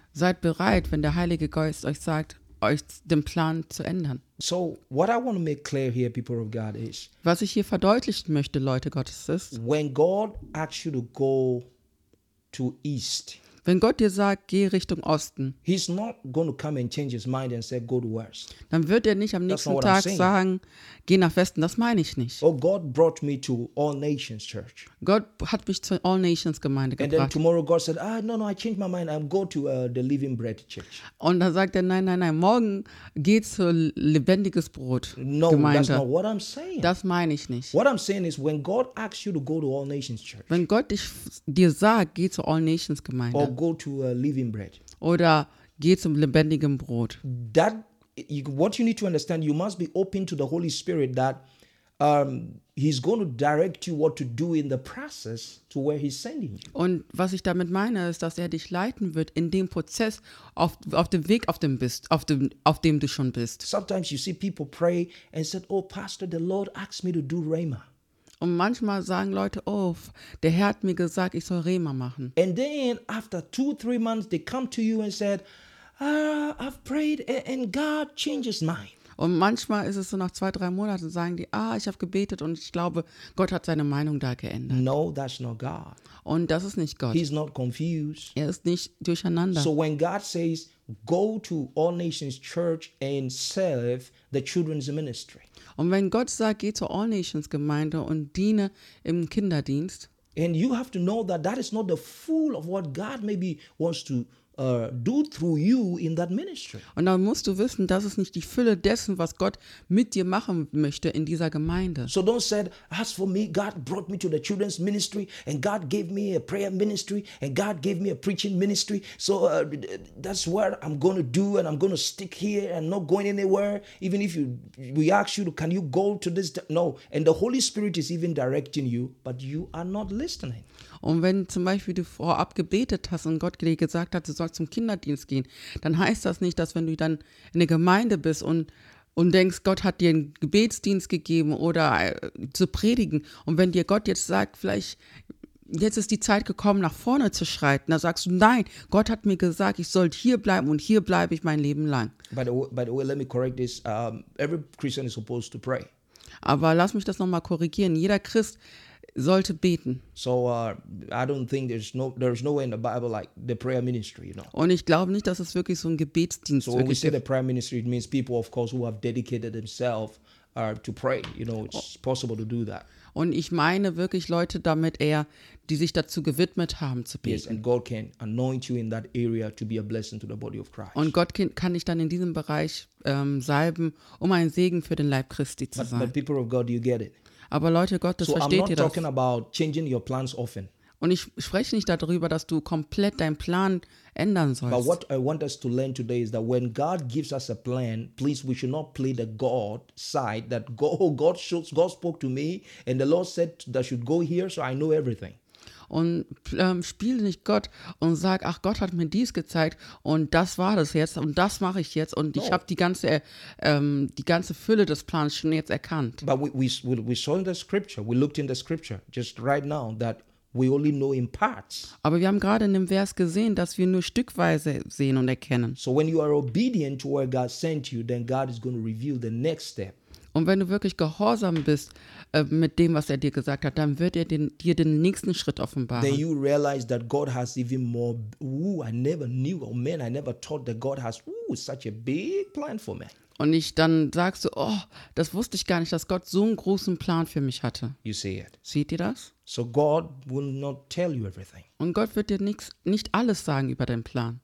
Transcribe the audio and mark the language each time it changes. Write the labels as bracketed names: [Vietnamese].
[German] Seid bereit, wenn der Heilige Geist euch sagt, euch den Plan zu ändern. [English] So what I want to make clear here, people of God, is, [German] was ich hier verdeutlichen möchte, Leute Gottes, ist, [English] when God asks you to go to east, [German] wenn Gott dir sagt, geh Richtung Osten, [English] he's not going to come and change his mind and say go to west. [German] Dann wird er nicht am nächsten Tag sagen, geh nach Westen. Das meine ich nicht. [English] Oh, God brought me to All Nations Church. [German] Gott hat mich zur All Nations Gemeinde gebracht. [English] And then tomorrow God said, no, I changed my mind. I'm going to the Living Bread Church. [German] Und dann sagt er, nein, morgen geht zur Lebendiges Brot Gemeinde. [English] No, that's not what I'm saying. [German] Das meine ich nicht. [English] What I'm saying is, when God asks you to go to All Nations Church, [German] wenn Gott dir sagt, geh zur All Nations Gemeinde, [English] go to a Living Bread. [German] Oder geh zum lebendigen Brot. [English] That what you need to understand, you must be open to the Holy Spirit that he's going to direct you what to do in the process to where he's sending you. [German] Und was ich damit meine, ist, dass er dich leiten wird in dem Prozess auf dem Weg, auf dem du schon bist. [English] Sometimes you see people pray and said, oh Pastor, the Lord asked me to do Rhema. [German] Und manchmal sagen Leute, oh, der Herr hat mir gesagt, ich soll Rhema machen. [English] And then after 2-3 months they come to you and said, I've prayed and God changes mine. [German] Und manchmal ist es so nach 2-3 Monaten sagen die, ich habe gebetet und ich glaube, Gott hat seine Meinung da geändert. [English] No, that's not God. [German] Und das ist nicht Gott. [English] He's not confused. [German] Er ist nicht durcheinander. [English] So when God says, go to All Nations Church and serve the children's ministry. Und wenn Gott sagt, geh zur All Nations Gemeinde und diene im Kinderdienst. And you have to know that that is not the full of what God maybe wants to do through you in that ministry. Und dann musst du wissen, das ist nicht die Fülle dessen, was Gott mit dir machen möchte in dieser Gemeinde. So don't say, as for me, God brought me to the children's ministry and God gave me a prayer ministry and God gave me a preaching ministry. So that's what I'm going to do and I'm going to stick here and not going anywhere. Even if we ask you, can you go to this? No. And the Holy Spirit is even directing you, but you are not listening. [German] Und wenn zum Beispiel du vorab gebetet hast und Gott dir gesagt hat, du sollst zum Kinderdienst gehen, dann heißt das nicht, dass wenn du dann in der Gemeinde bist und denkst, Gott hat dir einen Gebetsdienst gegeben oder zu predigen. Und wenn dir Gott jetzt sagt, vielleicht jetzt ist die Zeit gekommen, nach vorne zu schreiten, dann sagst du, nein, Gott hat mir gesagt, ich soll hier bleiben und hier bleibe ich mein Leben lang. [English] By the way, let me correct this. Every Christian is supposed to pray. [German] Aber lass mich das nochmal korrigieren. Jeder Christ sollte beten. [English] So I don't think there's no way in the Bible like the prayer ministry, you know. [German] Und ich glaube nicht, dass es wirklich so ein Gebetsdienst so wirklich [English] ist. So we say the prayer ministry, it means people of course who have dedicated themselves to pray, you know, it's possible to do that. [German] Und ich meine wirklich Leute damit eher, die sich dazu gewidmet haben zu beten. [English] Yes, and God can anoint you in that area to be a blessing to the body of Christ. [German] Und Gott kann dich dann in diesem Bereich salben, um ein Segen für den Leib Christi zu sein. [English] But people of God, you get it. [German] Aber Leute Gottes, versteht ihr das? [English] So I'm not talking about changing your plans often. [German] Und ich spreche nicht darüber, dass du komplett deinen Plan ändern sollst. [English] But what I want us to learn today is that when God gives us a plan, please, we should not play the God side, that God spoke to me and the Lord said that I should go here, so I know everything. [German] Und spiel nicht Gott und sag, ach, Gott hat mir dies gezeigt und das war das jetzt und das mache ich jetzt und ich habe die ganze Fülle des Plans schon jetzt erkannt. [English] But we saw in the scripture, we looked in the scripture just right now that we only know in parts. [German] Aber wir haben gerade in dem Vers gesehen, dass wir nur stückweise sehen und erkennen. [English] So when you are obedient to where God sent you, then God is going to reveal the next step. [German] Und wenn du wirklich gehorsam bist mit dem, was er dir gesagt hat, dann wird er dir den nächsten Schritt offenbaren. [English] Then you realize that God has even more. Ooh, I never knew. Oh man, I never thought that God has such a big plan for me. [German] Und ich dann sagst du, oh, das wusste ich gar nicht, dass Gott so einen großen Plan für mich hatte. [English] You see it. [German] Seht ihr das? [English] So God will not tell you everything. [German] Und Gott wird dir nicht alles sagen über deinen Plan.